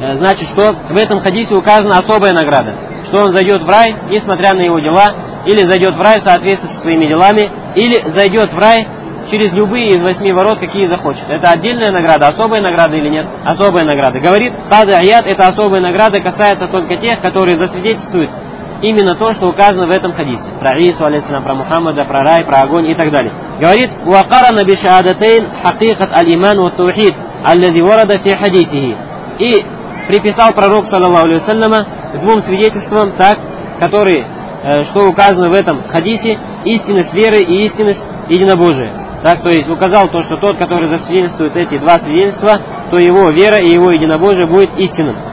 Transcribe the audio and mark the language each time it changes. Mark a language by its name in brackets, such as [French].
[Russian] Значит, что в этом хадисе указана особая награда, что он зайдет в рай, несмотря на его дела, или зайдет в рай в соответствии со своими делами, или зайдет в рай через любые из восьми ворот, какие захочет. Это отдельная награда, особая награда или нет? Особая награда. Говорит, Тады Аят, это особая награда, касается только тех, которые засвидетельствуют именно то, что указано в этом хадисе. Про Ису, алейхиссалям, про Мухаммада, про рай, про огонь и так далее. [Arabic] Говорит, وَقَرَنَ بِشَهَادَتَيْنِ حَقِيقَةَ الْإِمَانُ وَالتَّوْحِيدِ الَّذِي وَرَدَ فِي حَدِيثِهِ. [Russian] И приписал пророк, саллаллаху алейхи ва саллям, двум свидетельствам, так, которые, что указано в этом хадисе, истинность веры и истинность единобожия. Так, то есть указал то, что тот, который засвидетельствует эти два свидетельства, то его вера и его единобожие будет истинным.